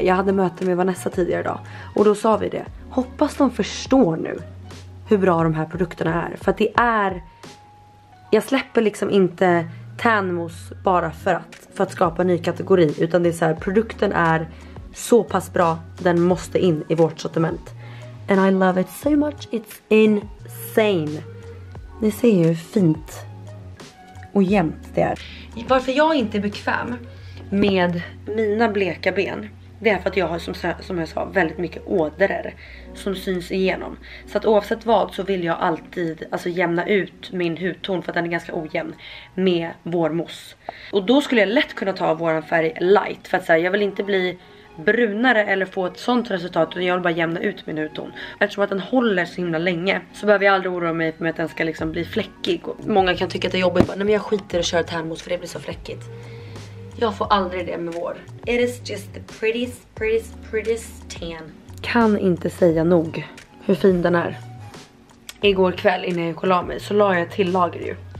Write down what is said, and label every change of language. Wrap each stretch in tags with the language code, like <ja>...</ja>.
<sv>Jag hade möte med Vanessa tidigare idag. Och då sa vi det. Hoppas de förstår nu hur bra de här produkterna är. För att det är, jag släpper liksom inte tanmos bara för att skapa en ny kategori. Utan det är så här, produkten är så pass bra, den måste in i vårt sortiment.</sv> <en>And I love it so much, it's insane.</en> <sv>Ni ser ju hur fint och jämnt det är. Varför jag inte är bekväm med mina bleka ben, det är för att jag har, som jag sa, väldigt mycket ådror som syns igenom. Så att oavsett vad så vill jag alltid, alltså, jämna ut min hudton, för att den är ganska ojämn, med vår mousse. Och då skulle jag lätt kunna ta våran färg light, för att säga, jag vill inte bli brunare eller få ett sånt resultat, utan jag vill bara jämna ut min hudton. Eftersom att den håller så himla länge, så behöver jag aldrig oroa mig för att den ska liksom bli fläckig. Många kan tycka att det är jobbigt, bara, nej men jag skiter och kör termos för det blir så fläckigt. Jag får aldrig det med vår.</sv> <en>It is just the prettiest, prettiest, prettiest tan.</en> <sv>Kan inte säga nog hur fin den är. Igår kväll innan jag kollade mig så la jag till lager ju.</sv>